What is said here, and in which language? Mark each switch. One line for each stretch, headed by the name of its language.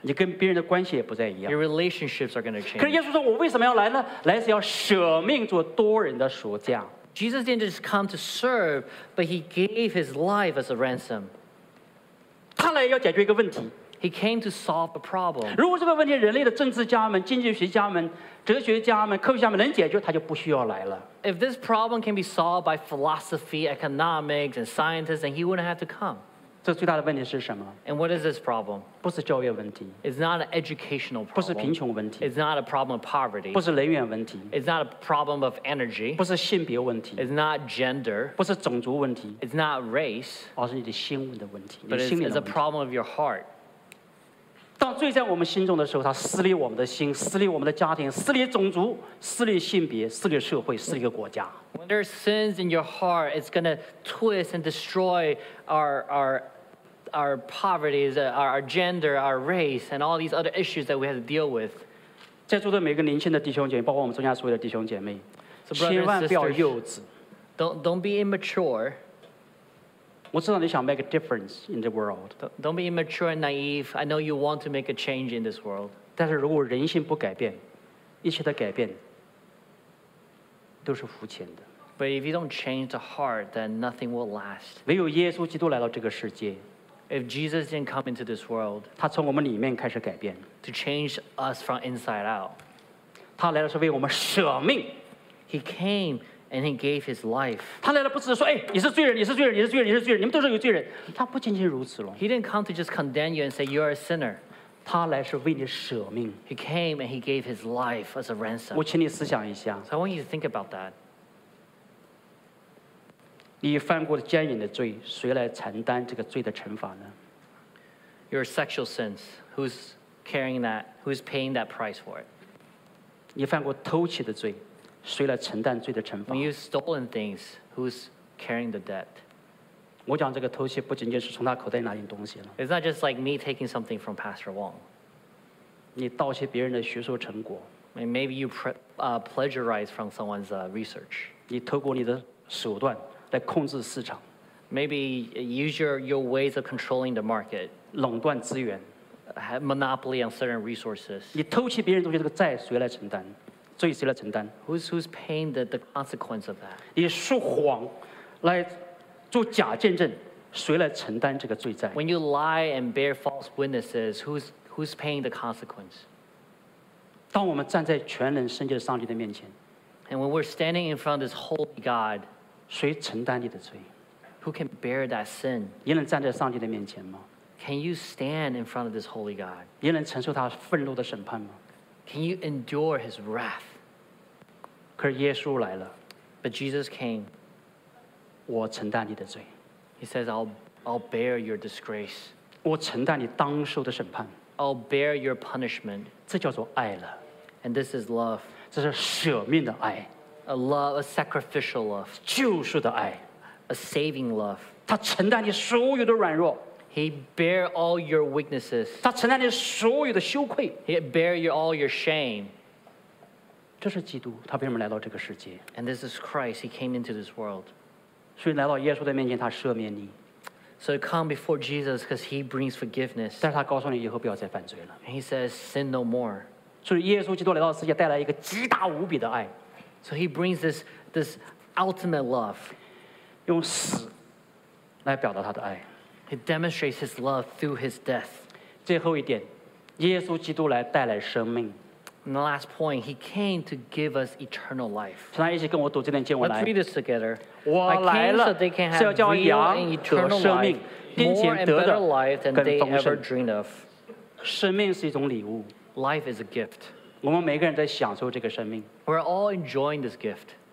English: Your relationships are going to change.
Chinese: 可是耶稣说，我为什么要来呢？来是要舍命做多人的赎价。
English: Jesus didn't just come to serve, but he gave his life as a ransom.
Chinese: 他来要解决一个问题。
English: He came to solve a problem.
Chinese: 如果这个问题人类的政治家们、经济学家们、哲学家们、科学家们能解决，他就不需要来了。
English: If this problem can be solved by philosophy, economics, and scientists, then he wouldn't have to come.
Chinese: 这最大的问题是什么
English: And what is this problem?
Chinese: 不是教育问题
English: It's not an educational problem
Chinese: 不是贫穷问题
English: It's not a problem of poverty
Chinese: 不是能源问题
English: It's not a problem of energy
Chinese: 不是性别问题
English: It's not gender
Chinese: 不是种族问题
English: It's not race
Chinese: 而是你的心的问题
English: But it's a problem of your heart
Chinese: 当罪在我们心中的时候它撕裂我们的心撕裂我们的家庭撕裂种族撕裂性别撕裂社会撕裂国家
English: When there are sins in your heart it's going to twist and destroy our poverty, our gender, our race, and all these other issues that we have to deal with.
Chinese: 在座的每个年轻的弟兄姐妹，包括我们中间所有的弟兄姐妹，千万不要幼稚。
English: Don't be immature.
Chinese: 我知道你想
English: make a difference in the world. Don't be immature and naive. I know you want to make a change in this world.
Chinese: 但是如果人心不改变，一切的改变都是肤浅的。
English: But if you don't change the heart, then nothing will last.
Chinese: 唯有耶稣基督来到这个世界。
English: If Jesus didn't come into this world,
Chinese: 他从我们里面开始改变。
English: To change us from inside out.
Chinese: 他来了是为我们舍命。
English: He came and he gave his life.
Chinese: 他来了不是说，哎，你是罪人，你是罪人，你是罪人，你是罪人，你们都是有罪人。他不仅仅如此了。
English: He didn't come to just condemn you and say you are a sinner.
Chinese: 他来是为你舍命。
English: He came and he gave his life as a ransom.
Chinese: 我请你思想一下。
English: So I want you to think about that.
Chinese: 你犯过的奸淫的罪谁来承担这个罪的惩罚呢
English: your sexual sins. Who's carrying that? Who's paying that price for it?
Chinese: 你犯过偷窃的罪，谁来承担罪的惩罚？
English: When you've stolen things, who's carrying the debt?
Chinese: 我讲这个偷窃不仅仅是从他口袋拿点东西了。
English: It's not just like me taking something from Pastor Wong.
Chinese: 你盗窃别人的学术成果。
English: And maybe you plagiarize from someone's research.
Chinese: 你透过你的手段来控制市场。
English: Maybe use your ways of controlling the market.
Chinese: 垄断资源。
English: Have monopoly on certain resources.
Chinese: 你偷窃别人东西，这个债谁来承担？罪谁来承担？
English: Who's paying the consequence of that?
Chinese: 你说谎，来做假见证，谁来承担这个罪债？
English: When you lie and bear false witnesses, who's paying the consequence?
Chinese: 当我们站在全能圣洁的上帝的面前，
English: And when we're standing in front of this holy God,
Chinese: 谁承担你的罪？
English: Who can bear that sin?
Chinese: 你能站在上帝的面前吗？
English: Can you stand in front of this holy God?
Chinese: 你能承受他愤怒的审判吗？
English: Can you endure his wrath?
Chinese: 可是耶稣来了。
English: But Jesus came.
Chinese: 我承担你的罪。
English: He says, I'll bear your disgrace.
Chinese: 我承担你当受的审判。
English: I'll bear your punishment.
Chinese: 这叫做爱了。
English: And this is love.
Chinese: 这是舍命的爱。
English: A love, a sacrificial love.
Chinese: 救赎的爱。
English: A saving love.
Chinese: 他承担你所有的软弱。
English: He bear all your weaknesses.
Chinese: 他承担你所有的羞愧。
English: He bear all your shame.
Chinese: 这是基督，他为什么来到这个世界？
English: And this is Christ. He came into this world.
Chinese: 所以来到耶稣的面前，他赦免你。
English: So come before Jesus because he brings forgiveness.
Chinese: 但是他告诉你以后不要再犯罪了。
English: He says sin no more.
Chinese: 所以耶稣基督来到世界，带来一个极大无比的爱。
English: So he brings this ultimate love.
Chinese: 用死来表达他的爱。
English: He demonstrates his love through his death.
Chinese: 最后一点，耶稣基督来带来生命。
English: And the last point, he came to give us eternal life.
Chinese: 请大家一起跟我读这段经文来。
English: Let's read this together.
Chinese: 我来了，是要叫羊得生命，并且得的更丰盛。生命是一种礼物。
English: Life is a gift.
Chinese: 我们每个人在享受这个生命。
English: We're all enjoying this gift.